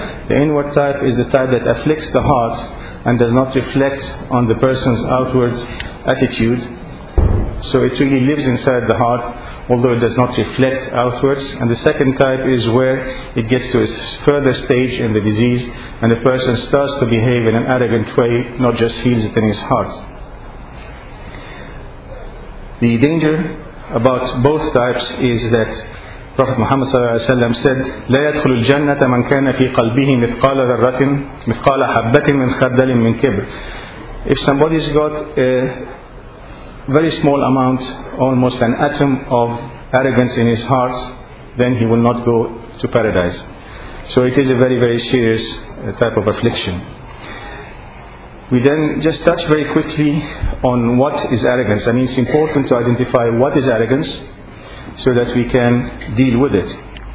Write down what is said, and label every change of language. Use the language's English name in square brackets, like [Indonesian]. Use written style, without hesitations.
[English] The inward type is the type that afflicts the heart and does not reflect on the person's outward attitude. So it really lives inside the heart, although it does not reflect outwards. And the second type is where it gets to a further stage in the disease, and the person starts to behave in an arrogant way, not just feels it in his heart. The danger about both types is that Prophet Muhammad [Arabic] صلى الله عليه وسلم said, لا يدخل الجنة من كان في قلبه مثقال ذرة مثقال حبة من خردل من كبر. [English] If somebody's got a very small amount, almost an atom of arrogance in his heart, then he will not go to paradise. So it is a very, very serious type of affliction. We then just touch very quickly on what is arrogance. I mean, it's important to identify what is arrogance so that we can deal with it.